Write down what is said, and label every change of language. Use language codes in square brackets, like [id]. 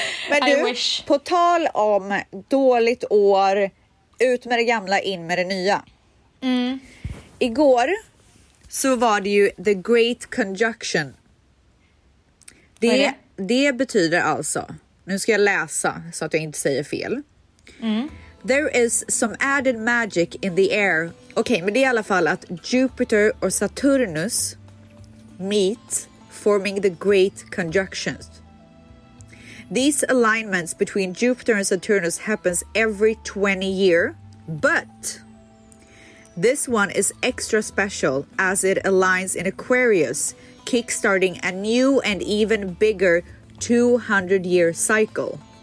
[sv] Men du, på tal om dåligt år, ut med det gamla, in med det nya. Igår så var det ju The Great Conjunction. Det betyder alltså, nu ska jag läsa så att jag inte säger fel. [en] There is some added magic in the air. [sv] Okej, men det är i alla fall att Jupiter och Saturnus [en] meet, forming the Great Conjunctions. These alignments between Jupiter and Saturnus happens every 20 year, but this one is extra special as it aligns in Aquarius, kickstarting a new and even bigger 200-year cycle.